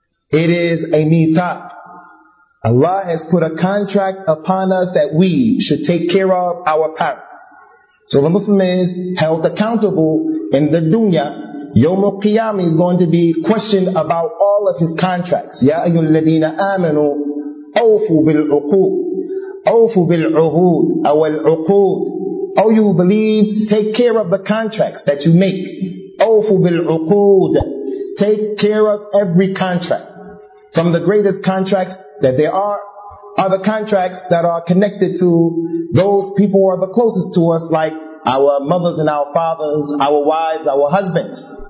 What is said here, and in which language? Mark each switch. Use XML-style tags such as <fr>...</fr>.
<en>It is a mithaq. Allah has put a contract upon us that we should take care of our parents. So the Muslim is held accountable in the dunya. Yawm al-qiyamah is going to be questioned about all of his contracts.</en> <ar>Ya ayyuhalladhina amanu awfu bil-uqood. أوفوا بالعهود أو العقود.</ar> <en>Oh, you believe, take care of the contracts that you make.</en> <ar>أوفوا بالعقود.</ar> <en>Take care of every contract. From the greatest contracts that there are the contracts that are connected to those people who are the closest to us, like our mothers and our fathers, our wives, our husbands.</en>